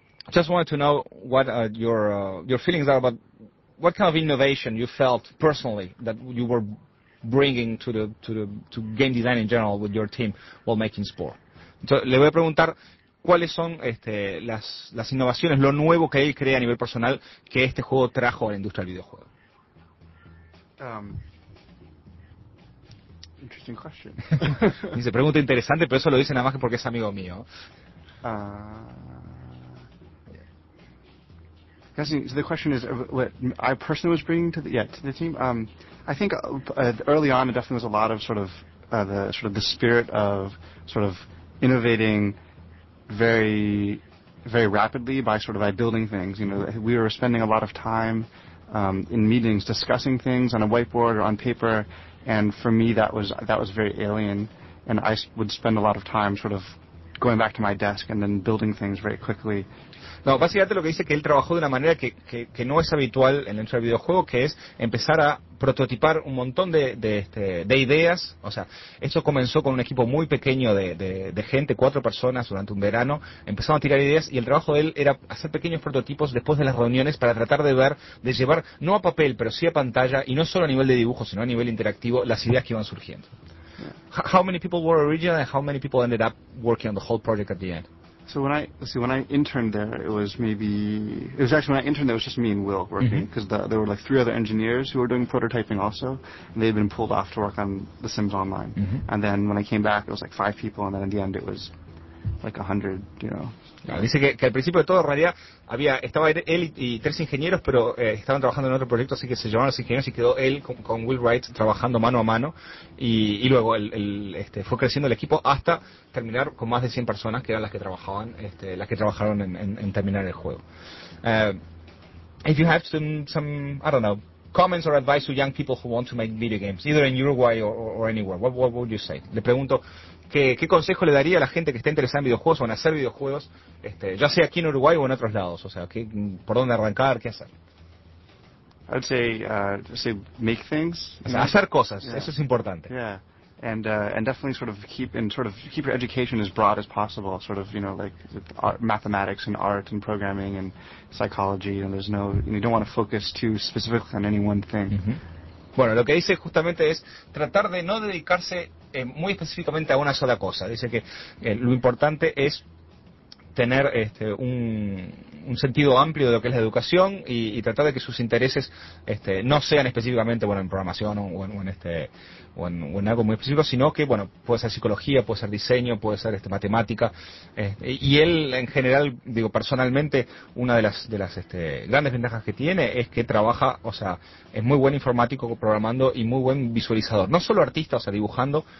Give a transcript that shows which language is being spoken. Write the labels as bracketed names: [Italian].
[English] Just wanted to know what your feelings are about what kind of innovation you felt personally that you were bringing to game design in general with your team while making Spore. [Spanish] Entonces, le voy a preguntar cuáles son las innovaciones, lo nuevo que él cree a nivel personal que este juego trajo a la industria del videojuego. [English] Interesting question. [Spanish] Dice, pregunta interesante, pero eso lo dice nada más que porque es amigo mío. [English] So the question is what I personally was bringing to the to the team. I think early on it definitely was a lot of the spirit of sort of innovating very very rapidly by building things. You know, we were spending a lot of time in meetings discussing things on a whiteboard or on paper, and for me that was very alien, and I would spend a lot of time sort of going back to my desk and then building things very quickly. [Spanish] No, básicamente lo que dice es que él trabajó de una manera que no es habitual en el videojuego, que es empezar a prototipar un montón de ideas. O sea, esto comenzó con un equipo muy pequeño de gente, 4 personas durante un verano, empezaron a tirar ideas, y el trabajo de él era hacer pequeños prototipos después de las reuniones para tratar de ver, de llevar, no a papel, pero sí a pantalla, y no solo a nivel de dibujo, sino a nivel interactivo, las ideas que iban surgiendo. [English] How many people were originally, and how many people ended up working on the whole project at the end? So when I interned there, it was just me and Will working, because there were like 3 other engineers who were doing prototyping also, and they'd been pulled off to work on The Sims Online. Mm-hmm. And then when I came back, it was like 5 people, and then in the end, it was like 100, you know. [Spanish] Dice que al principio de todo, en realidad, estaba él y 3 ingenieros, pero estaban trabajando en otro proyecto, así que se llamaron los ingenieros y quedó él con Will Wright trabajando mano a mano. Y luego él fue creciendo el equipo hasta terminar con más de 100 personas, que eran las que trabajaron en terminar el juego. [English] If you have some, I don't know, comments or advice to young people who want to make video games, either in Uruguay or anywhere, what would you say? [Spanish] Le pregunto, ¿Qué consejo le daría a la gente que está interesada en videojuegos o en hacer videojuegos, ya sea aquí en Uruguay o en otros lados? O sea, ¿por dónde arrancar? ¿Qué hacer? [English] I'd say, make things. [Spanish] Hacer cosas, yeah. Eso es importante. [English] Yeah, and definitely keep your education as broad as possible, mathematics and art and programming and psychology, and you don't want to focus too specifically on any one thing. Mm-hmm. [Spanish] Bueno, lo que dice justamente es tratar de no dedicarse muy específicamente a una sola cosa. Dice que lo importante es tener un sentido amplio de lo que es la educación y tratar de que sus intereses no sean específicamente en programación o en algo muy específico, sino que puede ser psicología, puede ser diseño, puede ser matemática, y él en general, personalmente, una de las grandes ventajas que tiene es que trabaja, es muy buen informático programando y muy buen visualizador, no solo artista, dibujando.